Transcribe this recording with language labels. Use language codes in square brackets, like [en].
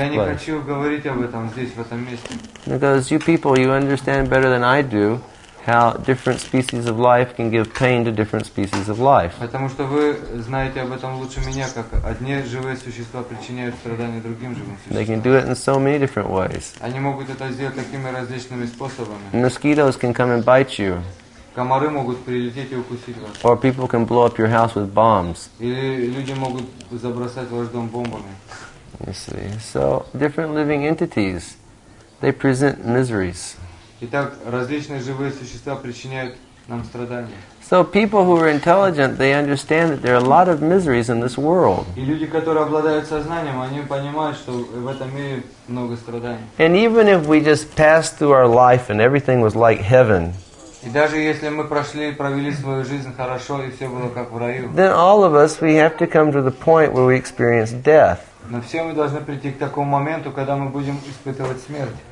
[ru] Я не хочу говорить об этом здесь, в этом месте. [en] Because you people, you understand better than I do how different species of life can give pain to different species of life. [ru] Потому что вы знаете об этом лучше меня, как одни живые существа причиняют страдания другим живым существам. [en] They can do it in so many different ways. [ru] Они могут это сделать такими различными способами. [en] Mosquitoes can come and bite you. [ru] Комары могут прилететь и укусить вас. [en] Or people can blow up your house with bombs. [ru] Или люди могут забросать ваш дом бомбами. [en] You see. So different living entities, they present miseries. [ru] Итак, различные живые существа причиняют нам страдания. [en] So people who are intelligent, they understand that there are a lot of miseries in this world. [ru] И люди, которые обладают сознанием, они понимают, что в этом мире много страданий. [en] And even if we just passed through our life and everything was like heaven. [ru] И даже если мы прошли, провели свою жизнь хорошо и все было как в раю. [en] Then all of us, we have to come to the point where we experience death. [ru] Но все мы должны прийти к такому моменту, когда мы будем испытывать смерть.